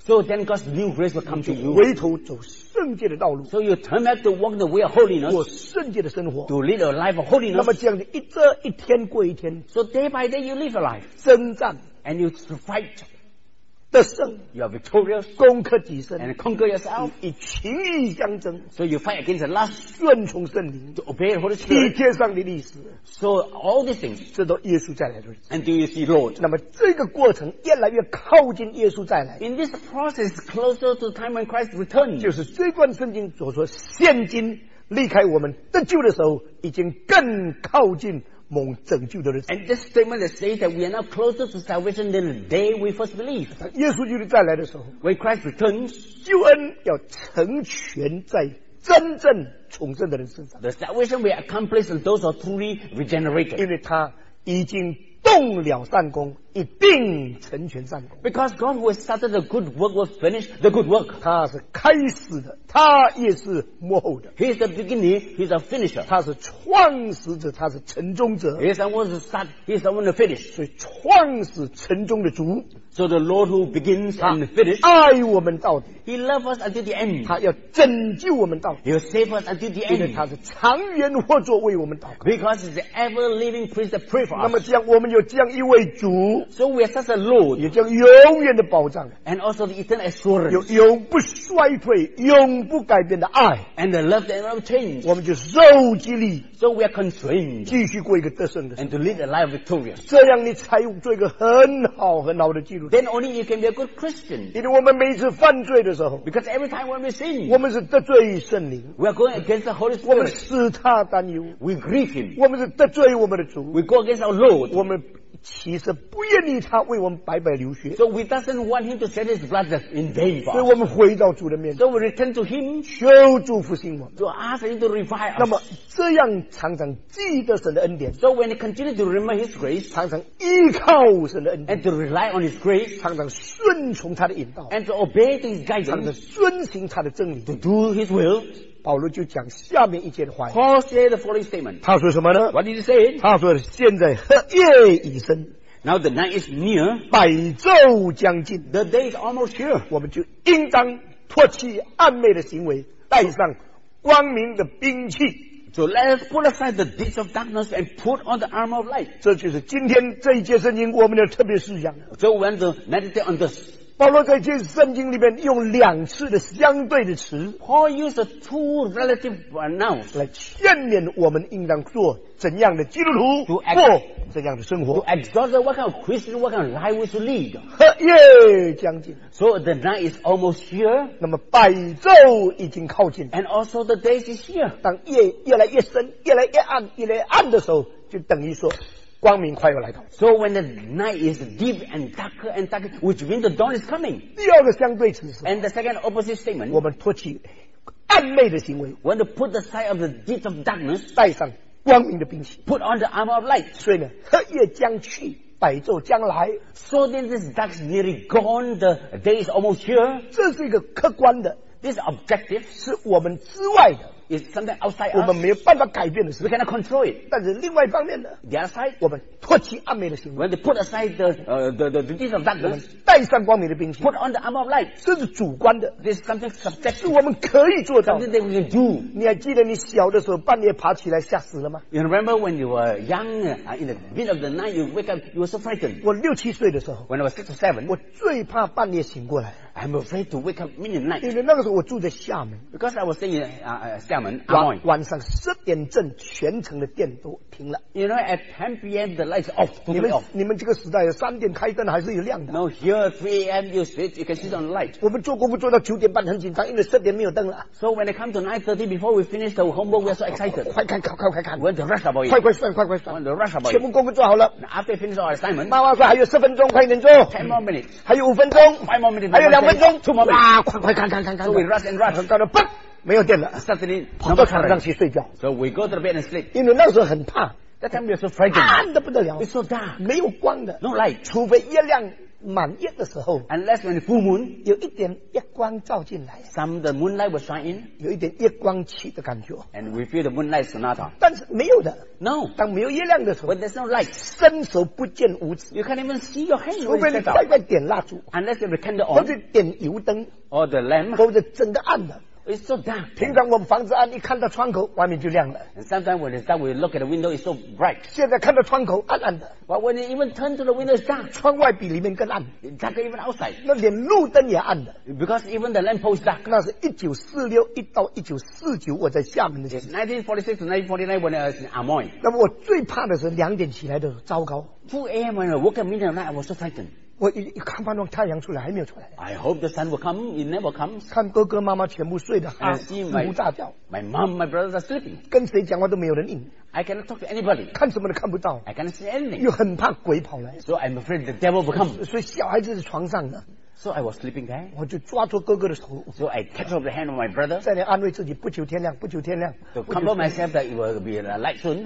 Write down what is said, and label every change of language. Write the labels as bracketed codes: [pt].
[en] So then God's new grace will come to you. [zh] 回头走圣洁的道路。 [en] So you turn back to walk the way of holiness. [zh] 过圣洁的生活。 [en] To live a life of holiness. [zh] 那么这样的一这一天过一天。 [en] So day by day you live a life. [zh] 征战。 [en] And you fight. [zh] 得胜 [en] you are victorious, [zh] 攻克己身 [en] and conquer yourself, [zh] 以情义相争 [en] so you fight against the lust, [zh] 顺从圣灵 [en] to obey the Holy Spirit, [zh] 体贴上帝的意思 [en] so all these things, [zh] 这都耶稣再来的日子 [en] until you see Lord, [zh] 那么这个过程越来越靠近耶稣再来 [en] in this process, closer to the time when Christ returns, [zh] 就是这段圣经所说现今离开我们得救的时候已经更靠近蒙拯救的日子 [en] and this statement that says that we are now closer to salvation than the day we first believe [zh] 当耶稣基督再来的时候 [en] when Christ returns [zh] 救恩要成全在真正重生的人身上 [en] the salvation will accomplish in those who are truly regenerated [zh] 因为他已经动了善功一定成全善功 [en] because God who has started the good work will finish the good work [zh] 他是开始的他也是幕后的 [en] He is the beginning He is the finisher [zh] 他是创始者他是成终者 [en] He is someone to start He is someone to finish [zh] 所以创始成终的主 [en] So the Lord who begins and finish [zh] 爱我们到底 [en] He loves us until the end [zh] 他要拯救我们到底 [en] He will save us until the end [zh] 因为他是长远活着为我们祷告 [en] Because he is the ever living priest that pray for us [zh] 那么这样我们有这样一位主 [en] So we are such a Lord [zh] 有这样永远的保障 [en] And also the eternal assurance [zh] 有永不衰退永永不改变的爱 [en] and the love that never changes [zh] 我们就受激励 [en] so we are constrained [zh] 继续过一个得胜的 [en] and to live a life victorious [zh] 这样你才做一个很好很好的基督徒 [en] then only you can be a good Christian [zh] 因为我们每一次犯罪的时候 [en] because every time when we sin [zh] 我们是得罪圣灵 [en] we are going against the Holy Spirit [zh] 我们使他担忧 [en] we grieve him [zh] 我们是得罪我们的主 [en] we go against our Lord [zh] 我们其实不愿意他为我们白白流血 [en] so we doesn't want him to shed his blood in vain [zh] 所以我们回到主的面前 [en] so we return to him [zh] 求主复兴我们 [en] to ask him to revive us [zh] 那么这样常常记得神的恩典 [en] so when he continue to remember his grace [zh] 常常依靠神的恩典 [en] and to rely on his grace [zh] 常常顺从他的引导 [en] and to obey his guidance [zh] 常常遵行他的真理 [en] to do his will [zh] 保罗就讲下面一节的话 [en] Paul said the following statement [zh] 他说什么呢 [en] what did he say [zh] 他说现在和夜已深 [en] Now the night is near [zh] 百昼将近 [en] The day is almost here [zh] 我们就应当脱去暗昧的行为带上光明的兵器 [en] So let us put aside the deeds of darkness and put on the armor of light [zh] 这就是今天这一节圣经我们的特别思想 [en] So we want to meditate on this [zh] 保罗在这节圣经里面用两次的相对的词 [en] Paul used two relative nouns [zh] 来劝勉我们应当做怎样的基督徒过怎样的生活 [en] to exhort what kind of Christian what kind of life we should lead [zh] 和夜将近 [en] so the night is almost here [zh] 那么百昼已经靠近 [en] and also the days is here [zh] 当夜越来越深越来越暗越来越暗的时候就等于说光明快要来到 [en] so when the night is deep and darker which means the dawn is coming [zh] 第二个相对词 [en] and the second opposite statement [zh] 我们脱去暗昧的行为 [en] when to put the side of the deep of darkness [zh] 带上光明的兵器 [en] put on the armor of light [zh] 所以呢黑夜将去百昼将来 [en] so then this dark is nearly gone the day is almost here [zh] 这是一个客观的 [en] this objective [zh] 是我们之外的 [en] is something outside [zh] 我们没有办法改变的事 [en] we cannot control it [zh] 但是另外一方面呢 [en] the other side [zh] 我们脱去暗昧的行为 [en] when they put aside the deeds of darkness [zh] 我们带上光明的兵器 [en] put on the armor of light [zh] 这是主观的 [en] this is something subjective [zh] 是我们可以做到的 [en] something that we can do [zh] 你还记得你小的时候半夜爬起来吓死了吗 [en] you remember when you were young in the middle of the night you wake up you were so frightened [zh] 我六七岁的时候 [en] when I was six or seven [zh] 我最怕半夜醒过来 [en] I'm afraid to wake up midnight [zh] 因为那个时候我住在厦门 [en] because I was staying in厦门 [zh] 晚上十点正全城的电都停了 [en] you know at 10 PM the lights off [zh] 你们这个时代三点开灯还是有亮的 [en] no here at 3 AM you switch you can see some light [zh] 我们做功夫做到九点半很紧张因为十点没有灯了 [en] so when it comes to 9:30 before we finish the homework we are so excited [zh] 快看快看快看 [en] we want to rush about it [zh] 快快算快快算 [en] we want to rush about it [zh] 全部功夫做好了 [en] after finish our assignment [zh] 妈妈说还有十分钟快点做 [en] 10 more minutes [zh] 还有五分钟 [en] 5 more minutes [zh] 还有两分钟 [en] 2 more minutes [zh] 哇快快看看看看 [en] so we rush and rush [zh] 到了砰没有电了 [en] suddenly [zh] 跑到床上去睡觉 [en] so we go to the bed and sleep [zh] 因为那时候很怕 [en] that time we are so frightened [zh] 暗得不得了 [en] it's so dark [zh] 没有光的 [en] no light [zh] 除非月亮满月的时候 [en] ，unless when full moon， [zh] 有一点月光照进来 [en] ，some the moonlight will shine in， [zh] 有一点月光起的感觉 [en] ，and we feel the moonlight sonata。 [zh] 但是没有的 [en] ，no， [zh] 当没有月亮的时候 [en] ，when there's no light， [zh] 伸手不见五指 [en] ，you can't even see your hand。 [zh] 除非你再再点蜡烛 [en] ，unless you have a candle on， [zh] 或者点油灯 [en] ，or the lamp， [zh] 或者真的暗的。 [en] It's so dark. [zh] 平常我们房子暗，一看到窗口，外面就亮了。 [en] And sometimes when it's dark, we look at the window, it's so bright. [zh] 现在看到窗口暗暗的。 [en] But when you even turn to the window, it's dark. [zh] 窗外比里面更暗。 [en] It's darker even outside. [zh] 那连路灯也暗的。 [en] Because even the lamp post dark. [zh] 那是1946一到1949，我在厦门的时候。 [en] It's 1946 to 1949 when I was in Amoy. [zh] 那么我最怕的是两点起来的时候，糟糕。 [en] 2 a.m. when I woke up midnight, I was so frightened. [zh] 我一看盼望太阳出来还没有出来 [en] I hope the sun will come it never comes [zh] 看哥哥妈妈全部睡得睡不大觉 [en] my mom my brothers are sleeping [zh] 跟谁讲话都没有人应 [en] I cannot talk to anybody [zh] 看什么都看不到 [en] I cannot see anything [zh] 又很怕鬼跑来 [en] so I'm afraid the devil will come [zh] 所以小孩子是床上的 [en] so I was sleeping there [zh] 我就抓住哥哥的头 [en] so I catch up the hand of my brother [zh] 在那安慰自己不求天亮不求天亮 [en] to comfort myself that it will be a light soon